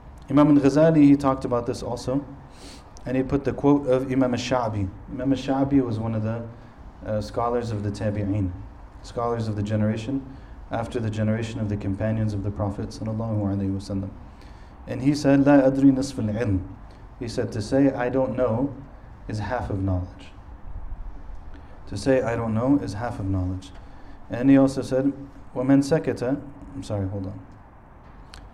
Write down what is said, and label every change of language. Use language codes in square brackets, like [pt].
[en] Imam al-Ghazali, he talked about this also, and he put the quote of Imam al-Sha'bi. Imam al-Sha'bi was one of the scholars of the Tabi'een, scholars of the generation after the generation of the companions of the Prophet sallallahu alayhi wa sallam. [ar] And he said, لا أدري نصف العلم. [en] He said, to say, I don't know, is half of knowledge. To say, I don't know, is half of knowledge. And he also said, [ar] وَمَنْ سَكَتَ, [en] I'm sorry, hold on.